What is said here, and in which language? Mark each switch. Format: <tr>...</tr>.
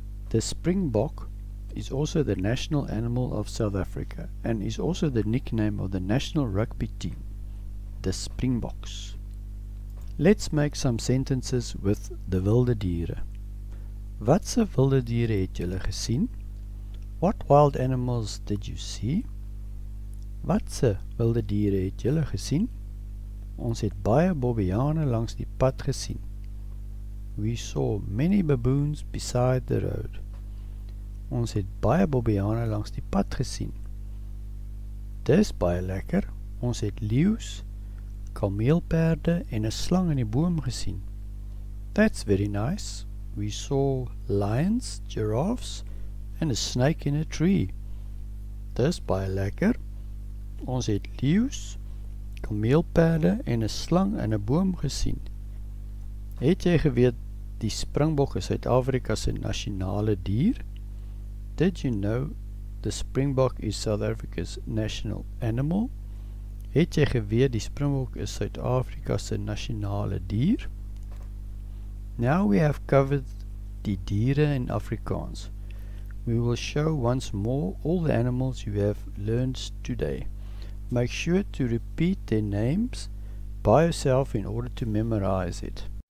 <en>The springbok is also the national animal of South Africa and is also the nickname of the national rugby team, the Springboks. Let's make some sentences with the Wildediere.</en> <af>Wat se Wildediere het julle gesien?</af> <en>What wild animals did you see?</en> <af>Wat se Wildediere het julle gesien? Ons het baie bobbejane langs die pad gesien.</af> <en>We saw many baboons beside the road.</en> <af>Ons het baie bobbejane langs die pad gesien. Dis baie lekker. Ons het leeu's, kameelperde en 'n slang in die boom gesien.</af> <en>That's very nice. We saw lions, giraffes and a snake in a tree.</en> <af>Dis baie lekker. Ons het leeu's, kameelperde en 'n slang in 'n boom gesien. Het jy geweet die springbok is Suid-Afrika se nasionale dier?</af> <en>Did you know the springbok is South Africa's national animal?</en> <af>Het jy geweet die springbok is Suid-Afrika se nasionale dier?</af> <en>Now we have covered</en> <af>die diere</af> <en>in Afrikaans. We will show once more all the animals you have learned today. Make sure to repeat their names by yourself in order to memorize it.</en>